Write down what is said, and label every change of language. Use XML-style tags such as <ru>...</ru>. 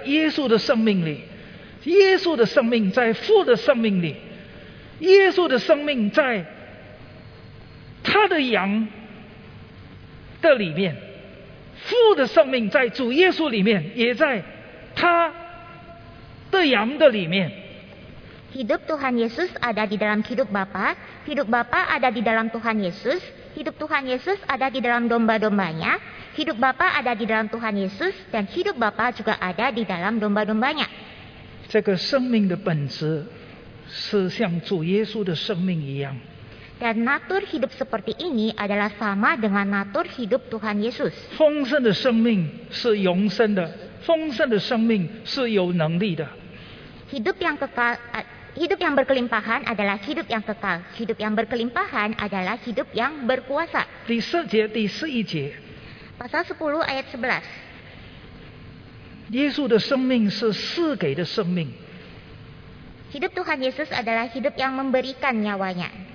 <zh>父的生命在耶稣的生命里, 耶稣的生命在父的生命里。耶稣的生命在他的羊的里面，父的生命在主耶稣里面，也在他的羊的里面。</zh> <id>Hidup Tuhan Yesus ada di dalam hidup Bapa, hidup Bapa ada di dalam Tuhan Yesus, hidup Tuhan Yesus ada di dalam domba-dombanya, hidup Bapa ada di dalam Tuhan Yesus dan hidup Bapa juga ada di dalam domba-dombanya.</id> <zh>这个生命的本质。是像主耶稣的生命一样。</zh> <id>Dan natur hidup seperti ini adalah sama dengan natur hidup Tuhan Yesus.</id> <zh>丰盛的生命是永生的, 丰盛的生命是有能力的。</zh> <id>Hidup yang kekal, hidup yang berkelimpahan adalah hidup yang kekal. Hidup yang berkelimpahan adalah hidup yang berkuasa.</id> <zh>第10节第11节。</zh> <id>Pasal 10 ayat 11.</id> <zh>耶稣的生命是赐给的生命。</zh> <id>Hidup Tuhan Yesus adalah hidup yang memberikan nyawanya.</id>